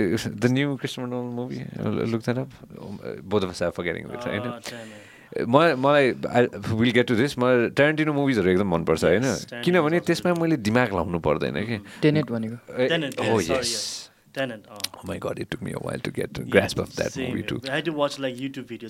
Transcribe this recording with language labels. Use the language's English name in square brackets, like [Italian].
[English] The new Christopher Nolan movie, look that up, both of us are forgetting it, right. [Nepali] मलाई [English] will get to this, [Nepali] म Tarantino मुभिजहरू एकदम मनपर्छ, होइन, किनभने त्यसमा मैले दिमाग लाउनु पर्दैन कि. टेनेट भनेको [English] Tenet, oh yes, Tenet. Oh. Oh my God, it took me a while to get a grasp of that movie too. I had to watch like YouTube videos.